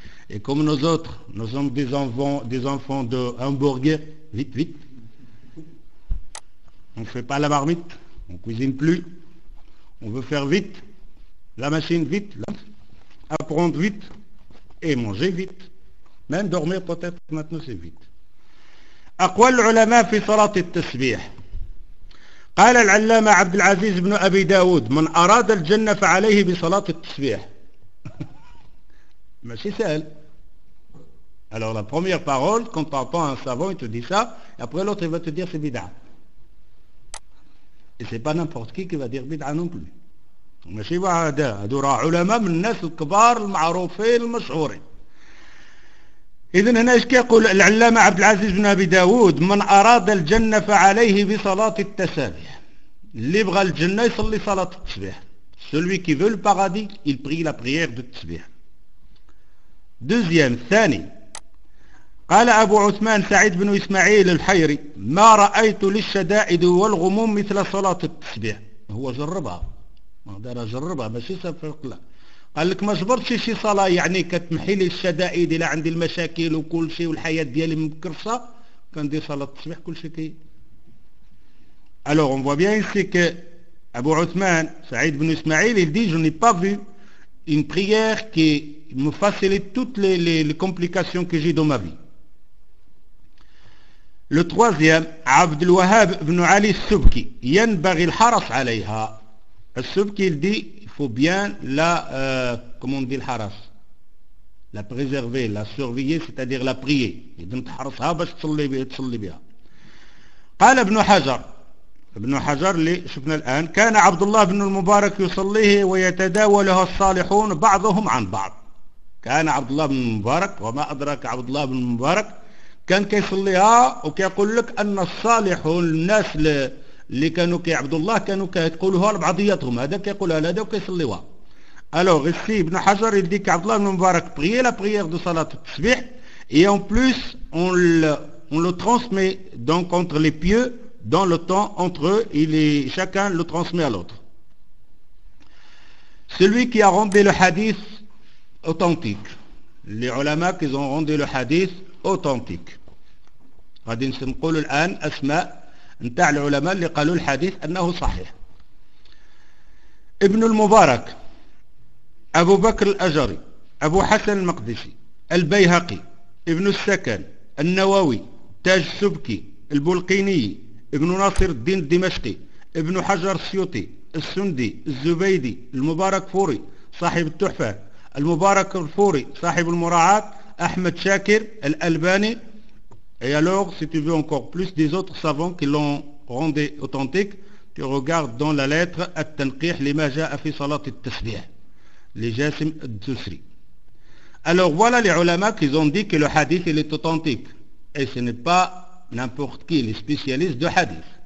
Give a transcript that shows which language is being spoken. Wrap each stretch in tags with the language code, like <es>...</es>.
<fr>Et comme nous autres, nous sommes des enfants de hamburger, vite, vite. On ne fait pas la marmite, on ne cuisine plus. On veut faire vite, la machine vite, apprendre vite et manger vite. Même dormir peut-être, maintenant c'est vite.</fr> <ar>« Aqwal ulama fi salat al-tasbih » قال العلامة عبد العزيز بن أبي داود من أراد الجنة فعليه بصلاة التسبيح. ماشي سهل.</ar> <fr>alors la première parole quand t'entends un savant il te dit ça et après l'autre il va te dire c'est bid'a. et c'est pas n'importe qui va dire bid'a non plus.</fr> <ar>ماشي بعد هذو راه علماء من الناس الكبار المعروفين المشهورين. إذن هنا إيش كيقول العلامة عبد العزيز بن أبي داود من أراد الجنة فعليه بصلاة التسبيح. اللي بغى الجنة يصلي صلاة التسبيح.</ar> <fr>celui qui veut le paradis il prie la prière de tasbih.</fr> <ar>deuxième ثاني قال أبو عثمان سعيد بن إسماعيل الحيري ما رأيت للشدائد والغموم مثل صلاة التسبيح. هو جربها ما دار جربها ماشي سفرق لا قال لك ما جبرتش شي صلاة يعني كتمحي لي الشدائد إلى عندي المشاكل وكل شيء والحياة ديالي مكرصة كندير صلاة التسبيح كل شيء كي.</ar> <fr>alors on voit bien ici que Abu Othman Saïd ibn Ismaïl il dit je n'ai pas vu une prière qui me facilite toutes les complications que j'ai dans ma vie. le troisième</fr> <ar>عبد الوهاب ابن علي السبكي ينبغي الحرص عليها.</ar> <fr>السبكي il dit faut bien la comment on dit le haras la préserver la surveiller c'est-à-dire la prier idem</fr> <ar>tharasha bach tsalli biha. قال ابن حجر ابن حجر اللي شفنا الان كان عبد الله بن المبارك يصليه ويتداولها الصالحون بعضهم عن بعض. كان عبد الله بن المبارك وما ادراك عبد الله بن المبارك كان كيصليها وكيقول لك ان الصالحون الناس اللي كانوا كيعبدوا الله كانوا كيقولوها لبعضياتهم هذا كيقولها لهذا وكيصليوها.</ar> <fr>alors ici ابن حجر il dit qu'Abdullah ibn Mubarak priait la prière de salat tasbih et en plus on le transmet donc entre les pieux dans le temps entre eux il est chacun le transmet à l'autre. celui qui a rendu le hadith authentique les ulama qui ont rendu le hadith authentique</fr> <ar>غادي نقول الان اسماء نتاع العلماء اللي قالوا الحديث انه صحيح. ابن المبارك ابو بكر الاجري ابو حسن المقدسي البيهقي ابن السكن النووي تاج السبكي البلقيني ابن ناصر الدين الدمشقي ابن حجر السيوطي السندي الزبيدي المبارك فوري صاحب التحفة المبارك الفوري صاحب المراعاة احمد شاكر الالباني</ar> <fr>Et alors, si tu veux encore plus des autres savants qui l'ont rendu authentique, tu regardes dans la lettre At-Tanqih lima ja'a fi salat at-tasbih, les Jassim ad-Dusri. Alors voilà les ulama qui ont dit que le hadith il est authentique. Et ce n'est pas n'importe qui, les spécialistes de hadith.</fr>